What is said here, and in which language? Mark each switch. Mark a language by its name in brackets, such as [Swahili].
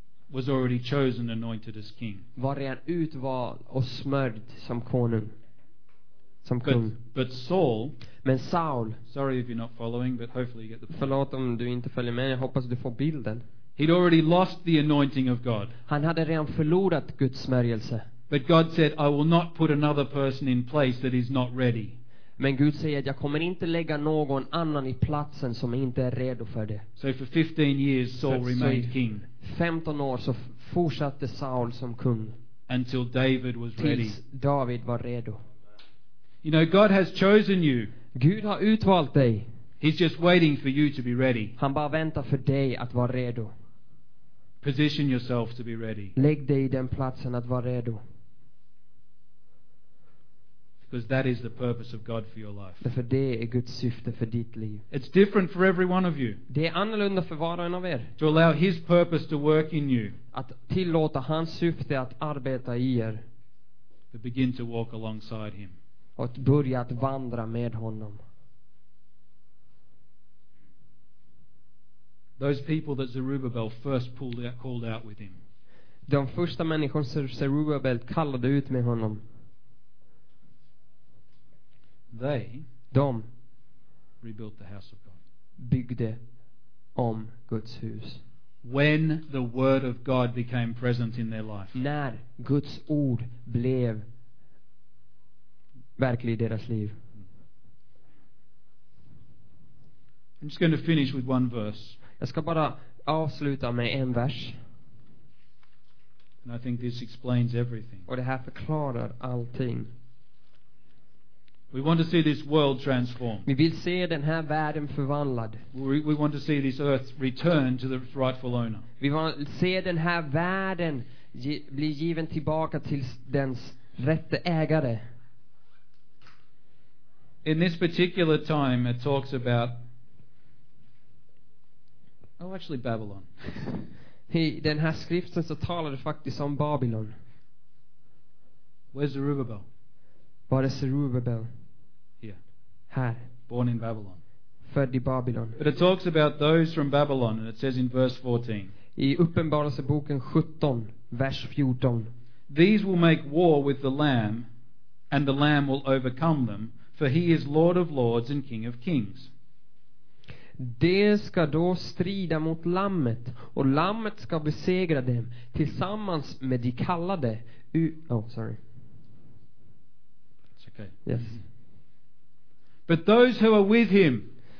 [English] was already chosen and anointed as king. [Swedish] Var redan utvald och smörd som konung. Som [English] but, [Swedish] kung. [English] But Saul, [Swedish] men Saul, [English] sorry if you're not following, but hopefully you get the point. [Swedish] Förlåt om du inte följer med, jag hoppas du får bilden. [English] He'd already lost the anointing of God. [Swedish] Han hade redan förlorat Guds smörjelse. [English] But God said, I will not put another person in place that is not ready. [Swedish] Men Gud säger att jag kommer inte lägga någon annan i platsen som inte är redo för det. [English] So for 15 years Saul remained king. [Swedish] 15 år så fortsatte Saul som kung. [English] Until David was ready. [Swedish] Tills David var redo. [English] You know, God has chosen you. [Swedish] Gud har utvalt dig. [English] He's just waiting for you to be ready. [Swedish] Han bara väntar för dig att vara redo. [English] Position yourself to be ready. [Swedish] Lägg dig i den platsen att vara redo. [English] Because that is the purpose of God for your life. [Swedish] Därför det är Guds syfte för ditt liv. [English] It's different for every one of you. [Swedish] Det är annorlunda för var och en av er. [English] To allow His purpose to work in you. [Swedish] Att tillåta hans syfte att arbeta i er. [English] To begin to walk alongside Him. [Swedish] Att börja att vandra med honom. [English] Those people that Zerubbabel first pulled out, called out with him. [Swedish] De första människorna som Zerubbabel kallade ut med honom. [English] They. [Swedish] De. [English] Rebuilt the house of God. [Swedish] Byggde om Guds hus. [English] When the word of God became present in their life. [Swedish] När Guds ord blev verklig i deras liv. [English] I'm just going to finish with one verse. [Swedish] Jag ska bara avsluta med en vers. [English] And I think this explains everything. [Swedish] Och det här förklarar allting. [English] We want to see this world transformed. [Swedish] Vi vill se den här världen förvandlad. [English] We want to see this earth return to the rightful owner. [Swedish] Vi vill se den här världen bli given tillbaka till dens rätte ägare. [English] In this particular time it talks about oh, actually Babylon. [Swedish] I den här skriften så talar det faktiskt om Babylon. [English] Where's Zerubbabel? [Swedish] Var är Zerubbabel? [English] Here. [Swedish] Här. [English] Born in Babylon. [Swedish] Född i Babylon. [English] But it talks about those from Babylon and it says in verse 14. [Swedish] I Uppenbarelseboken 17, vers 14. [English] These will make war with the Lamb and the Lamb will overcome them for he is Lord of Lords and King of Kings. [Swedish] Det ska då strida mot lammet och lammet ska besegra dem tillsammans med de kallade. [English] It's okay. Yes. But those who are with him.